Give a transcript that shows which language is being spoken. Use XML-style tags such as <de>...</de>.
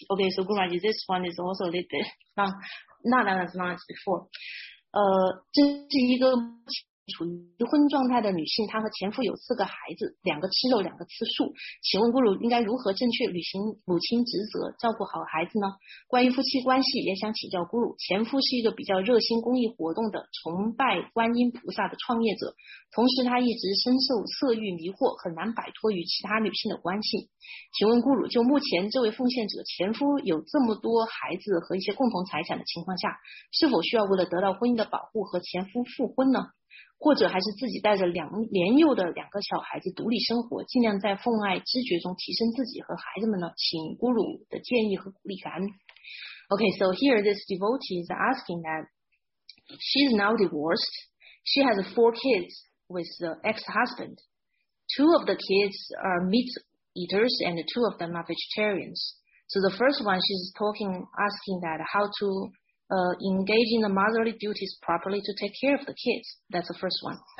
<en>Okay, so Guru Maharaj, this one is also a little bit not as long as before.</en> <zh>这是一个处于离婚状态的女性，她和前夫有四个孩子，两个吃肉两个吃素，请问咕噜应该如何正确履行母亲职责照顾好孩子呢？关于夫妻关系也想请教咕噜，前夫是一个比较热心公益活动的崇拜观音菩萨的创业者，同时他一直深受色欲迷惑，很难摆脱与其他女性的关系，请问咕噜就目前这位奉献者前夫有这么多孩子和一些共同财产的情况下，是否需要为了得到婚姻的保护和前夫复婚呢？或者还是自己带着年幼的两个小孩子独立生活，尽量在奉爱知觉中提升自己和孩子们呢？请咕噜的建议和鼓励感恩。</zh> <en>Okay, so here this devotee is asking that she is now divorced She has four kids with the ex-husband. Two of the kids are meat eaters and two of them are vegetarians. So the first one, she's talking, asking that how to engage in the motherly duties properly to take care of the kids. That's the first one.</en>